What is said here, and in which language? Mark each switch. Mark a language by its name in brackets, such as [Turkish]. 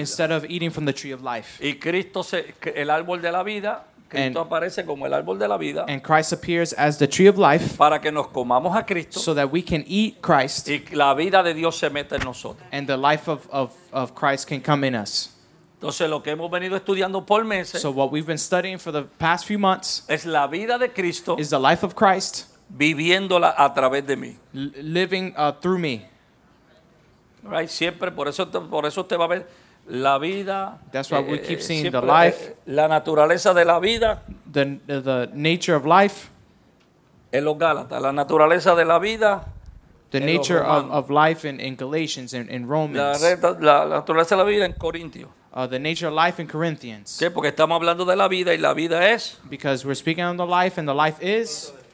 [English] instead of eating from the tree of life. [Spanish] Y Cristo se, el árbol de la vida, Cristo and, aparece como el árbol de la vida, [English] and Christ appears as the tree of life, [Spanish] para que nos comamos a Cristo, [English] so that we can eat Christ, [Spanish] y la vida de Dios se mete en nosotros, [English] and the life of Christ can come in us. [Spanish] Entonces lo que hemos venido estudiando por meses, [English] so what we've been studying for the past few months, [Spanish] es la vida de Cristo, [English] is the life of Christ, [Spanish] viviéndola a través de mí. [English] Living through me. [Spanish] Right, siempre por eso usted va a ver la vida. [English] That's why we keep seeing the life. [Spanish] La naturaleza de la vida. [English] The nature of life. [Spanish] En los Gálatas, la naturaleza de la vida. [English] The nature of life in Galatians and in Romans. [Spanish] La naturaleza de la vida en Corintios. [English] The nature of life in Corinthians. [Spanish] ¿Qué? Porque estamos hablando de la vida y la vida es. [English] Because we're speaking on the life and the life is.